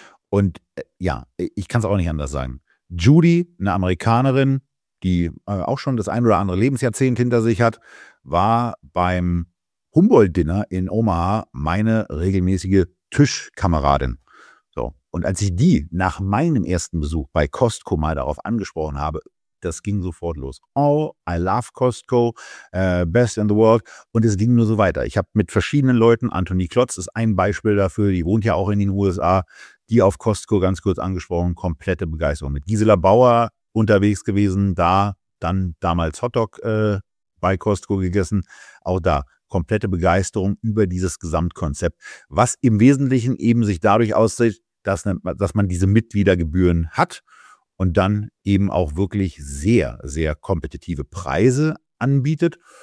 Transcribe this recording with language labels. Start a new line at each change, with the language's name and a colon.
German: Und ja, ich kann es auch nicht anders sagen. Judy, eine Amerikanerin, die auch schon das ein oder andere Lebensjahrzehnt hinter sich hat, war beim Humboldt-Dinner in Omaha meine regelmäßige Tischkameradin. So. Und als ich die nach meinem ersten Besuch bei Costco mal darauf angesprochen habe, das ging sofort los.
English: Oh, I love Costco, best in the world.
German: Und es ging nur so weiter. Ich habe mit verschiedenen Leuten, Anthony Klotz ist ein Beispiel dafür, die wohnt ja auch in den USA, die auf Costco ganz kurz angesprochen, komplette Begeisterung. Mit Gisela Bauer unterwegs gewesen, da dann damals Hotdog bei Costco gegessen. Auch da komplette Begeisterung über dieses Gesamtkonzept, was im Wesentlichen eben sich dadurch aussieht, dass man diese Mitgliedergebühren hat und dann eben auch wirklich sehr, sehr kompetitive Preise anbietet.